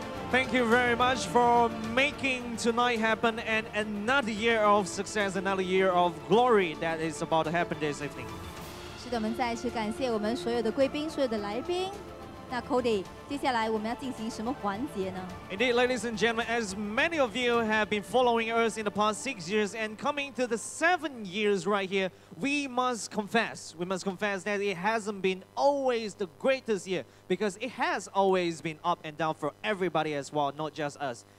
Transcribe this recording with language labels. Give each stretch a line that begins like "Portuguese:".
English: Thank you very much for making tonight happen and another year of success, another year of glory that is about to happen this evening.
Chinese: 是的，我们再次感谢我们所有的贵宾，所有的来宾。那 Cody, 接下来我们要进行什么环节呢?
English: Indeed, ladies and gentlemen, as many of you have been following us in the past 6 years and coming to the 7 years right here, we must confess that it hasn't been always the greatest year because it has always been up and down for everybody as well, not just us.